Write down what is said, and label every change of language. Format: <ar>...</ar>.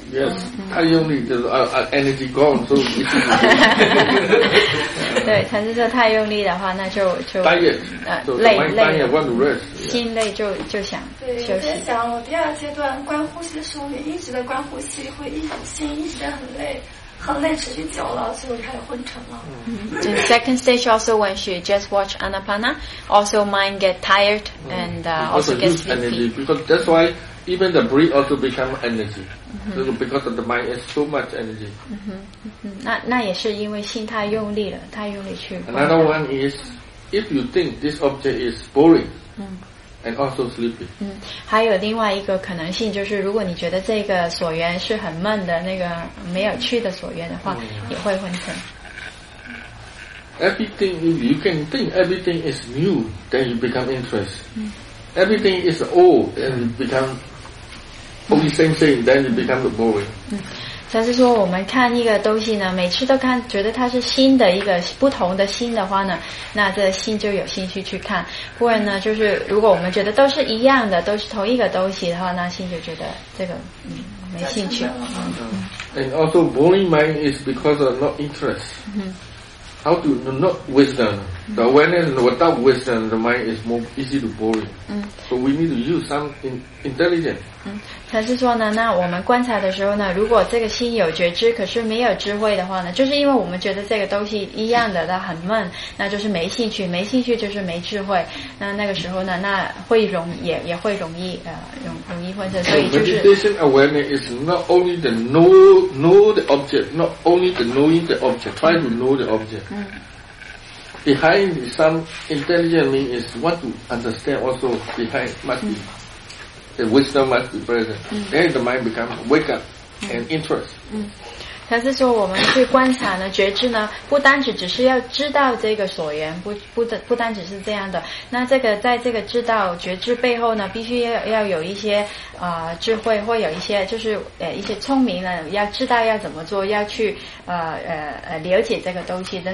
<en>Yes,</en> <zh>太用力就是</zh> <en>energy gone, so.</en> <zh>对，陈师说太用力的话，那就就累累。累</zh> <en>want to rest,</en> <zh>心累就想休息。对，我在想，我第二阶段观呼吸的时候，一直在观呼吸，会一直心一直在很累。</zh> <en>In second stage also when she just watched Anapana, also mind get tired and also get sleepy. Energy because that's why even the breath also become energy. So because of the mind is so much energy.</en> <zh>那也是因为心太用力了，太用力去。</zh> <en>Another one is if you think this object is boring. And also sleepy.</en> <zh>还有另外一个可能性就是，如果你觉得这个所缘是很闷的，那个没有趣的所缘的话，也会昏沉。</zh> <en>Everything you can think, everything is new, then you become interest. Everything is old, then you become only same thing, then you become the boring.</en> <zh>他是说，我们看一个东西呢，每次都看，觉得它是新的一个不同的新的话呢，那这新就有兴趣去看。不然呢，就是如果我们觉得都是一样的，都是同一个东西的话，那新就觉得这个没兴趣。</zh> <en>And also, boring mind is because of not interest. How to not wisdom? The awareness without wisdom, the mind is more easy to boring. So we need to use some intelligence.</en> <zh>才是说呢，那我们观察的时候呢，如果这个心有觉知，可是没有智慧的话呢，就是因为我们觉得这个东西一样的，它很闷，那就是没兴趣，没兴趣就是没智慧。那个时候呢，那会容也会容易容易昏沉。所以就是</zh> <en>meditation awareness is not only the know the object, not only the knowing the object, try to know the object. Behind some intelligent mind is want to understand also behind must be. The wisdom must be present. Then the mind becomes wake up and interest.</en> <zh>他是说我们去观察呢，觉知呢，不单只是要知道这个所缘，不单只是这样的。那这个在这个知道觉知背后呢，必须要有一些智慧，或有一些就是一些聪明呢，要知道要怎么做，要去了解这个东西的。</zh>